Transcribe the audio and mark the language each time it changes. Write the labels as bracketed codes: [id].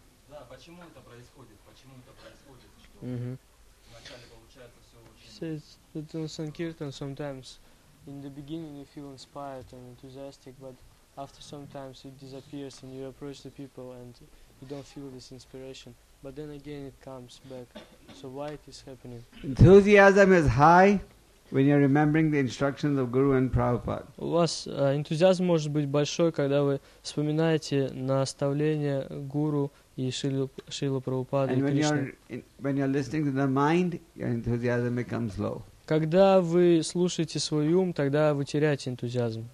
[ru] Да, почему это происходит? Почему это происходит, что вначале получается все очень... [en] Says that in Sankirtan sometimes in the beginning you feel inspired and enthusiastic, but after sometimes it disappears and you approach the people and you don't feel this inspiration. But then again it comes back. So why it is happening? Enthusiasm is high. When you're remembering the instructions of Guru and Prabhupada. [ru] У вас энтузиазм может быть большой, когда вы вспоминаете наставления Гуру и Шрилы Прабхупады. [en] And when you're listening to the mind, your enthusiasm becomes low. [ru] Когда вы слушаете свой ум, тогда вы теряете энтузиазм.